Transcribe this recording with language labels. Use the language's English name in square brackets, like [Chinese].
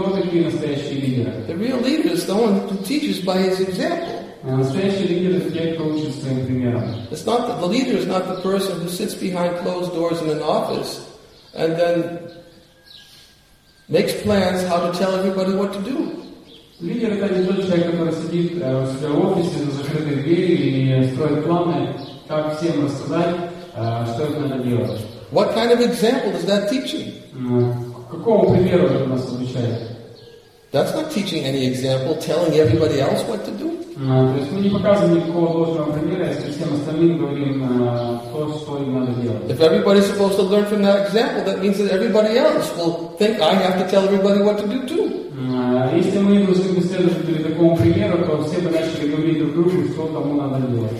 [English] The real leader is the one who teaches by his example. It's not the leader is not the person who sits behind closed doors in an office and then makes plans how to tell everybody what to do. [Russian] Лидер это не тот человек, который сидит в своем офисе на закрытой двери и строит планы, как всем рассказать, что это надо делать. [English] What kind of example is that teaching? [Russian] Какого примера это нас обучает? [English] That's not teaching any example, telling everybody else what to do. [Russian] То есть мы не показываем никакого ложного примера, если всем остальным говорим, то, что им надо делать. [English] If everybody's supposed to learn from that example, that means that everybody else will think I have to tell everybody what to do too. [Russian] Если мы должны следовать перед такому примеру, то все бы начали говорить друг другу, что кому надо делать.